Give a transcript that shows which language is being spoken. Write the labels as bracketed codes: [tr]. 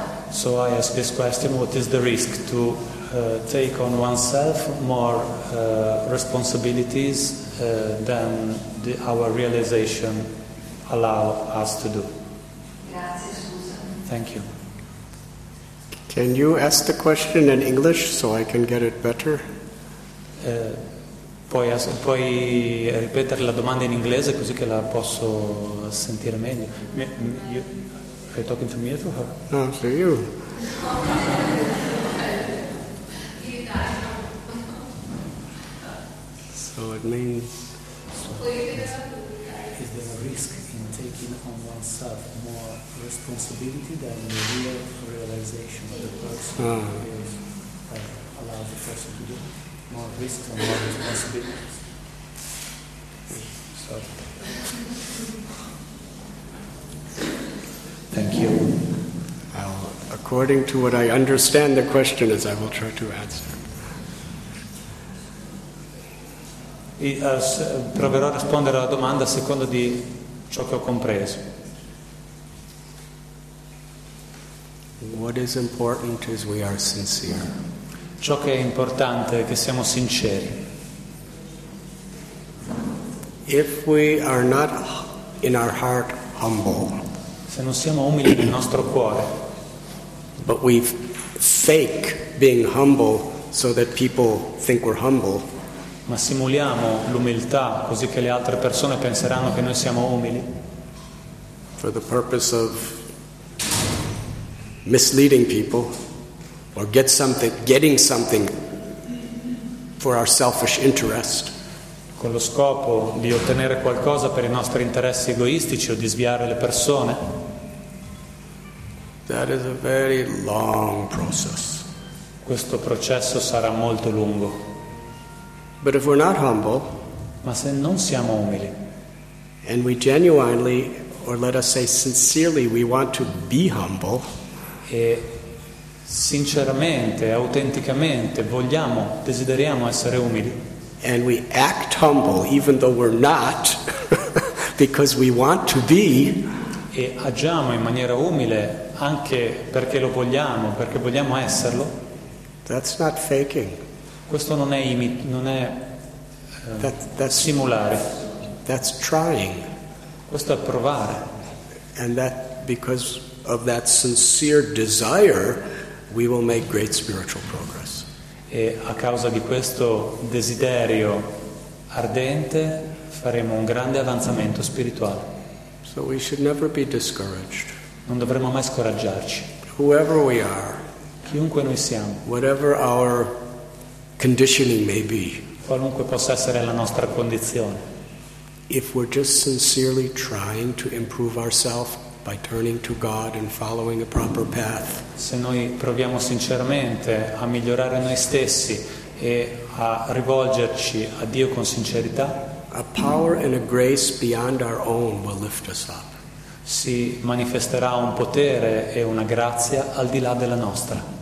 [en] So I ask this question, what is the risk to take on oneself more responsibilities than our realization allow us to do? Thank you. Can you ask the question in English so I can get it better? [it] Puoi ripetere la domanda in inglese così che la posso sentire meglio. [en] Are you talking to me or to her? No, to you. So it means, so, is there a risk in taking on oneself more responsibility than the real realization of the person is allows the person to do more risk and more responsibilities? So, thank you. According to what I understand the question is, I will try to answer. [it] Proverò a rispondere alla domanda secondo di ciò che ho compreso. [en] What is important is we are sincere. [it] Ciò che è importante è che siamo sinceri. [en] If we are not in our heart humble, [it] se non siamo umili nel nostro cuore, [en] but we fake being humble so that people think we're humble. [it] Ma simuliamo l'umiltà così che le altre persone penseranno che noi siamo umili. [en] For the purpose of misleading people or getting something for our selfish interest. [it] Con lo scopo di ottenere qualcosa per i nostri interessi egoistici o di sviare le persone. [en] That is a very long process. [it] Questo processo sarà molto lungo. [en] But if we're not humble, [it] ma se non siamo umili, [en] and we genuinely, or let us say sincerely, we want to be humble, [it] e sinceramente, autenticamente, vogliamo, desideriamo essere umili, [en] and we act humble even though we're not, because we want to be, [it] e agiamo in maniera umile anche perché lo vogliamo, perché vogliamo esserlo. [en] That's not faking. [it] Questo non è simulare. [en] That's trying. [it] Questo è provare. [en] And that because of that sincere desire, we will make great spiritual progress. [it] E a causa di questo desiderio ardente, faremo un grande avanzamento spirituale. [en] So we should never be discouraged. [it] Non dovremmo mai scoraggiarci. [en] Whoever we are, [it] chiunque noi siamo, [en] whatever our conditioning may be, [it] qualunque possa essere la nostra condizione, [en] if we're just sincerely trying to improve ourselves by turning to God and following a proper path, [it] se noi proviamo sinceramente a migliorare noi stessi e a rivolgerci a Dio con sincerità, [en] a power and a grace beyond our own will lift us up. [it] Si manifesterà un potere e una grazia al di là della nostra.